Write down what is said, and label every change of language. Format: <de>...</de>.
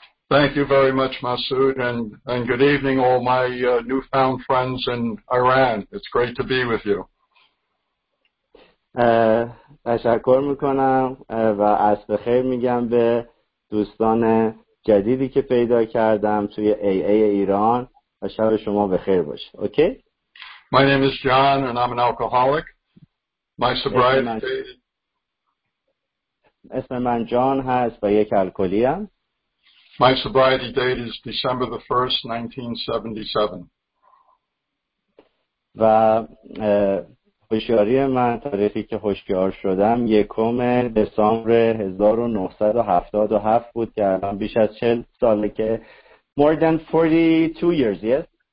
<en>Thank you very much, Masood, and good evening all my newfound friends in Iran. It's great to be with you.</en> <fa>تشکر میکنم و عصر بخیر میگم به دوستان جدیدی که پیدا کردم توی AA ایران. شب شما بخیر باشه. اوکی؟</fa> <en>My name is John and I'm an alcoholic. My sobriety</en> <fa>اسم من جان هست و یک الکلی ام.</fa> <en>My sobriety date is December the 1st, 1977.</en> <fa>و هوشیاری من تاریخی که هوشیار شدم 1 دسامبر 1977 بود که الان بیش از 40 ساله که More than 42 years, yes?</fa>